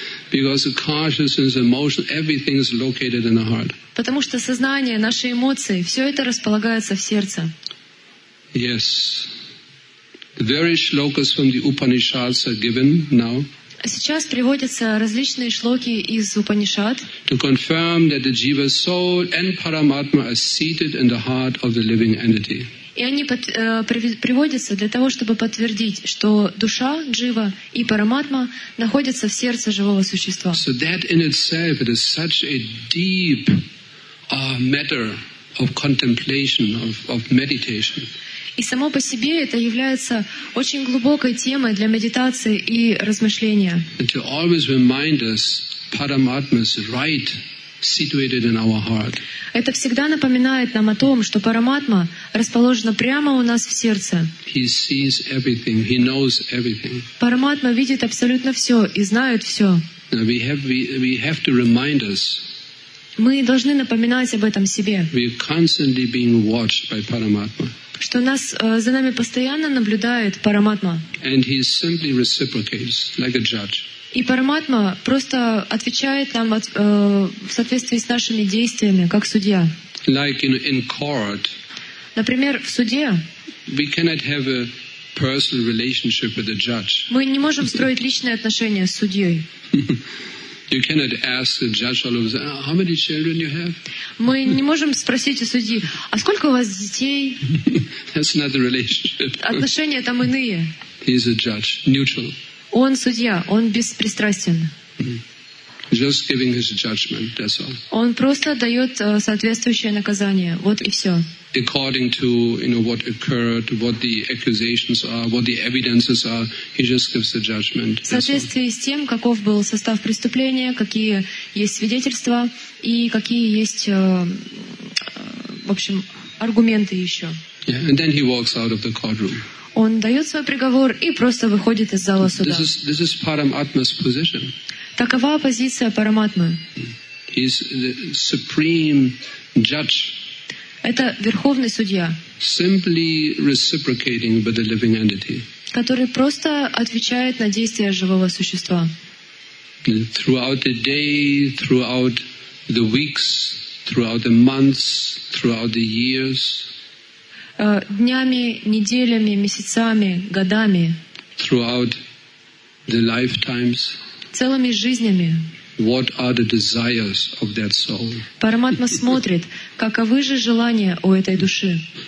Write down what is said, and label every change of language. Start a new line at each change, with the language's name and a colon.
English: Because consciousness, emotion, everything is located in the heart.
Russian: Потому что сознание, наши эмоции, все это располагается в сердце.
English: Yes. Various shlokas from the Upanishads are given now.
Russian: Сейчас приводятся различные шлоки из Упанишад.
English: To confirm that the jiva soul and paramatma are seated in the heart of the living entity.
Russian: И они приводятся для того, чтобы подтвердить, что душа джива и параматма находятся в сердце живого существа.
English: So that in itself it is such a deep matter of contemplation of meditation.
Russian: И само по себе это является очень глубокой темой для медитации и размышления.
English: And to always remind us, Paramatma is right situated in our heart.
Russian: Это всегда напоминает нам о том, что Параматма расположена прямо у нас в сердце.
English: He sees everything, he knows everything.
Russian: Параматма видит абсолютно все и знает все.
English: Now we have to remind us.
Russian: Мы должны напоминать об этом себе.
English: We are constantly being watched by Paramatma.
Russian: Что нас за нами постоянно наблюдает Параматма.
English: And he simply reciprocates, like a judge.
Russian: И Параматма просто отвечает нам в соответствии с нашими действиями, как судья.
English: Like in court.
Russian: Например, в суде.
English: We cannot have a personal relationship with the judge.
Russian: Мы не можем строить личные отношения с судьей.
English: You cannot ask the judge all of a sudden, how many children you have?
Russian: Мы не можем спросить у судьи, а сколько у вас детей?
English: That's not the relationship.
Russian: Отношения там иные.
English: He's a judge, neutral.
Russian: Он судья, он беспристрастен.
English: Just giving his judgment, that's all.
Russian: Он просто дает соответствующее наказание, вот и все.
English: According to what occurred, what the accusations are, what the evidences are, he just gives the judgment.
Russian: В соответствии с тем, каков был состав преступления, какие есть свидетельства и какие есть, в общем, аргументы еще.
English: Yeah, and then he walks out of the courtroom.
Russian: Он дает свой приговор и просто выходит из зала суда.
English: This is Paramatma's position.
Russian: Такова позиция Параматмы.
English: He is the supreme judge.
Russian: Это верховный судья.
English: Simply reciprocating with the living entity.
Russian: который просто отвечает на действия живого существа.
English: Throughout the day, throughout the weeks, throughout the months, throughout the years.
Russian: Днями, неделями, месяцами, годами.
English: Throughout the lifetimes.
Russian: Целыми жизнями.
English: What are the desires of that soul?
Russian: Параматма смотрит, каковы же желания у этой души.